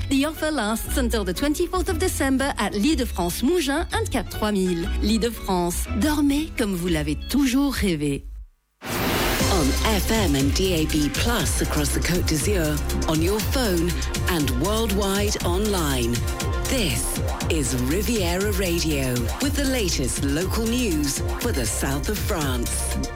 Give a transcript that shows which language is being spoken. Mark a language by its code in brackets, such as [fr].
[en] The offer lasts until the 24th of December at Lille de France Mougins and Cap 3000. [fr] Lille de France, dormez comme vous l'avez toujours rêvé. [en] On FM and DAB Plus across the Côte d'Azur, on your phone and worldwide online. This is Riviera Radio with the latest local news for the south of France.